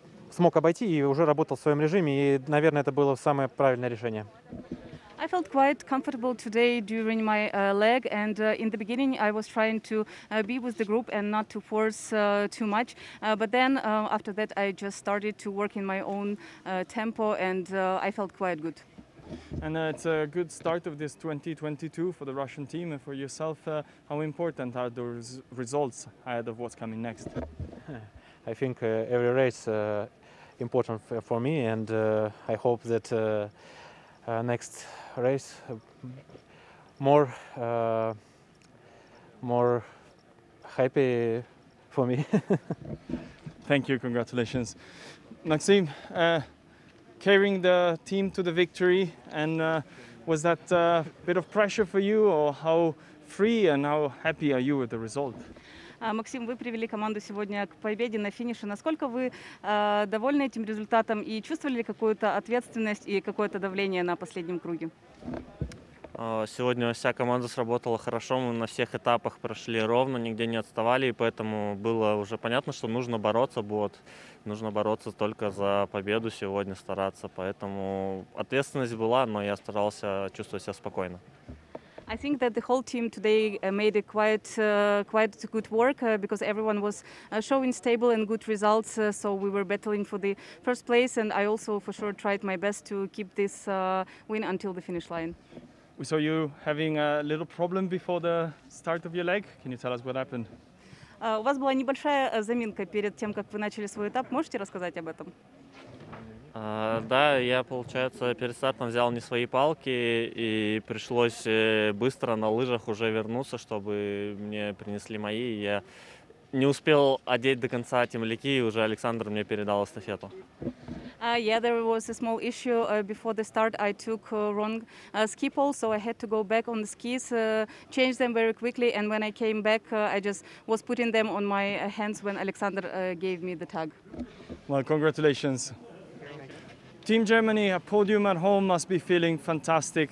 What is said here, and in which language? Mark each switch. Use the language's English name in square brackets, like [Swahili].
[Russian] Смог обойти и уже работал в своем режиме, и, наверное, это было самое правильное решение. [English] I felt quite comfortable today during my leg, and in the beginning I was trying to be with the group and not to force too much. But then after that I just started to work in my own tempo, and I felt quite good. And it's a good start of this 2022 for the Russian team and for yourself. How important are those results ahead of what's coming next? I think every race important for me, and I hope that next race more happy for me. Thank you, congratulations. Maxim, carrying the team to the victory, and was that a bit of pressure for you, or how free and how happy are you with the result? [Russian] Максим, вы привели команду сегодня к победе на финише. Насколько вы довольны этим результатом и чувствовали ли какую-то ответственность и какое-то давление на последнем круге? Сегодня вся команда сработала хорошо, мы на всех этапах прошли ровно, нигде не отставали, и поэтому было уже понятно, что нужно бороться, вот, нужно бороться только за победу сегодня, стараться, поэтому ответственность была, но я старался чувствовать себя спокойно. [English] I think that the whole team today made a quite good work because everyone was showing stable and good results. So we were battling for the first place, and I also for sure tried my best to keep this win until the finish line. We saw you having a little problem before the start of your leg. Can you tell us what happened? [Russian] У вас была небольшая заминка перед тем, как вы начали свой этап. Можете рассказать об этом? Да, я, получается, перед стартом взял не свои палки, и пришлось быстро на лыжах уже вернуться, чтобы мне принесли мои. Я не успел одеть до конца темляки, и уже Александр мне передал эстафету. [English] Yeah, there was a small issue before the start. I took wrong ski pole, so I had to go back on the skis, change them very quickly, and when I came back, I just was putting them on my hands when Александр gave me the tag. Well, congratulations. Team Germany, a podium at home must be feeling fantastic.